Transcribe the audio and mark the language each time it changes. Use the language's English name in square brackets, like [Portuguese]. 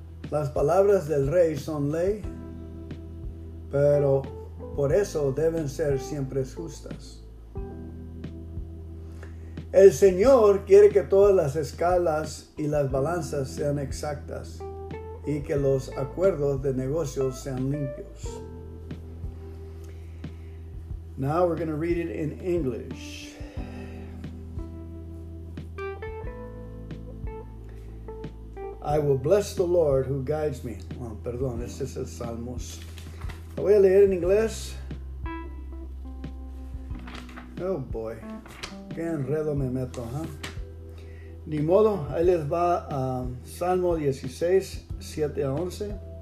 [Spanish] Las palabras del rey son ley, pero por eso deben ser siempre justas. El Señor quiere que todas las escalas y las balanzas sean exactas y que los acuerdos de negocios sean limpios. [English] Now we're going to read it in English. I will bless the Lord who guides me. [Spanish] Oh, perdón, este es el Salmos. Lo voy a leer en inglés. Oh boy, qué enredo me meto, ¿eh? Ni modo, ahí les va a Salmo 16, 7 a 11.